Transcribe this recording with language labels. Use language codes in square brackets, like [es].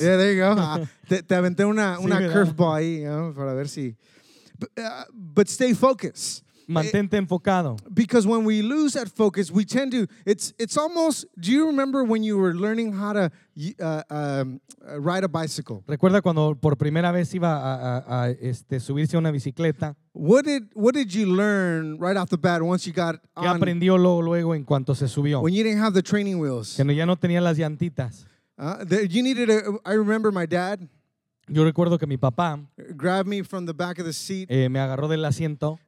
[en] Yeah, there you go. [es] te aventé una sí, curveball ahí, [en] you know, [es] para ver si. [en] But stay focused. [es] Mantente enfocado. [en] Because when we lose that focus, we tend to. It's almost. Do you remember when you were learning how to ride a bicycle? [es] Recuerda cuando por primera vez iba a subirse a una bicicleta. [en] What did you learn right off the bat once you got on? [es] ¿Qué aprendió luego en cuanto se subió? [en] When you didn't have the training wheels. [es] Cuando ya no tenía las llantitas. [en] You needed. I remember my dad. [es] Yo recuerdo que mi papá [en] grabbed me from the back of the seat, [es] me agarró del asiento,